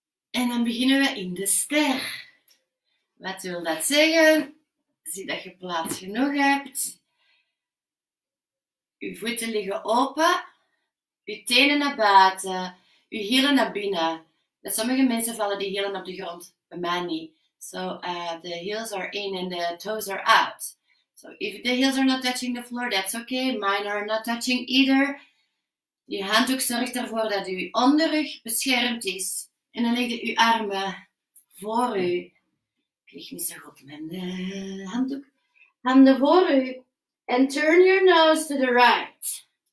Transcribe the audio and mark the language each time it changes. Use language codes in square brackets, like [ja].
[nl] En dan beginnen we in de ster. Wat wil dat zeggen? Zie dat je plaats genoeg hebt. Uw voeten liggen open, uw tenen naar buiten, uw hielen naar binnen. Bij sommige mensen vallen die hielen op de grond, bij mij niet. [en] So, the heels are in and the toes are out. So, if the heels are not touching the floor, that's okay. Mine are not touching either. [nl] Die handdoek zorgt ervoor dat uw onderrug beschermd is. En dan liggen uw armen voor u. Ik lig niet zo goed met de handdoek. Handen voor u. [en] And turn your nose to the right.